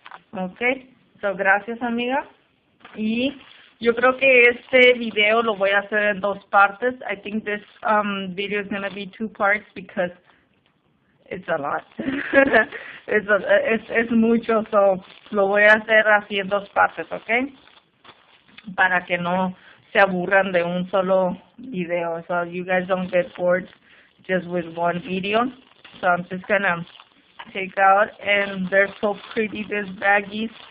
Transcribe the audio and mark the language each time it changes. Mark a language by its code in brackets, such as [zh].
[es] Okay, so gracias amiga. Y yo creo que este video lo voy a hacer en dos partes. [en] I think this video is going to be two parts because it's a lot. [es] Es mucho, so lo voy a hacer así en dos partes, okay? Para que no se aburran de un solo video. [en] So you guys don't get bored just with one video. So I'm just gonna take out, and they're so pretty, these baggies.